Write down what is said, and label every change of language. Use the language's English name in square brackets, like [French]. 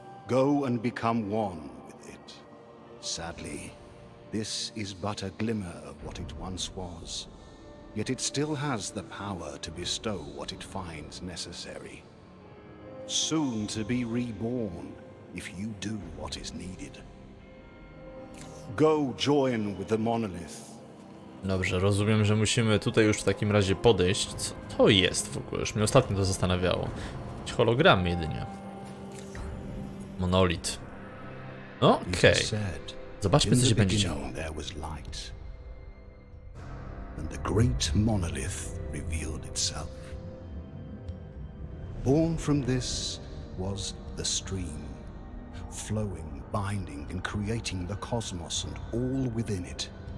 [English] Go and become one with it. Sadly, this is but a glimmer of what it once was. Yet it still has the power to bestow what it finds necessary. Soon to be reborn. If you do what is needed, go join with the monolith. [Polish] Dobrze, rozumiem, że musimy tutaj już w takim razie podejść. Co to jest w ogóle? Już mnie ostatnio to zastanawiało. Jakieś hologramy jedynie. Monolit. No, okej. Okay. Zobaczmy, co się będzie działo. [English] There was light. And the great monolith revealed itself. Born from this was the stream. Flowing, binding, and creating the cosmos and all within it.